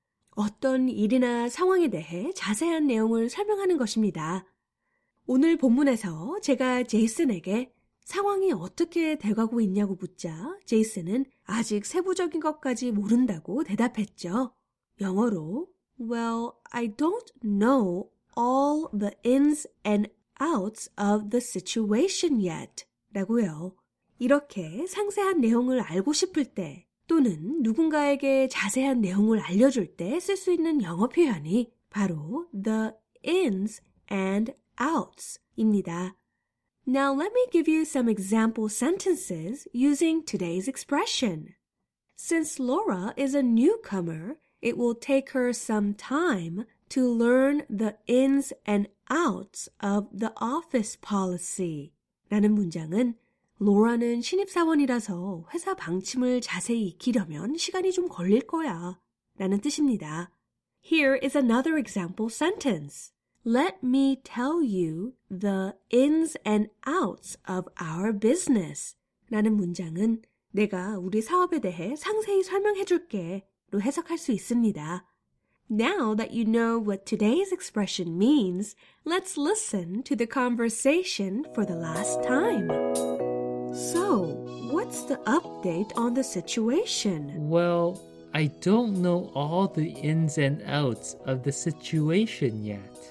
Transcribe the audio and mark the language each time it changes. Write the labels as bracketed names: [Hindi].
[Korean] 어떤 일이나 상황에 대해 자세한 내용을 설명하는 것입니다. 오늘 본문에서 제가 제이슨에게 상황이 어떻게 돼가고 있냐고 묻자 제이슨은 아직 세부적인 것까지 모른다고 대답했죠. 영어로 [English] Well, I don't know all the ins and outs of the situation yet. [Korean] 라고요. 이렇게 상세한 내용을 알고 싶을 때 또는 누군가에게 자세한 내용을 알려줄 때 쓸 수 있는 영어 표현이 바로 the ins and outs 입니다. [English] Now let me give you some example sentences using today's expression. Since Laura is a newcomer, it will take her some time to learn the ins and outs of the office policy. [Korean] 라는 문장은 로라는 신입사원이라서 회사 방침을 자세히 익히려면 시간이 좀 걸릴 거야 라는 뜻입니다. [English] Here is another example sentence. Let me tell you the ins and outs of our business. [Korean] 라는 문장은 내가 우리 사업에 대해 상세히 설명해 줄게 로 해석할 수 있습니다. [English] Now that you know what today's expression means, let's listen to the conversation for the last time. So, what's the update on the situation? Well, I don't know all the ins and outs of the situation yet.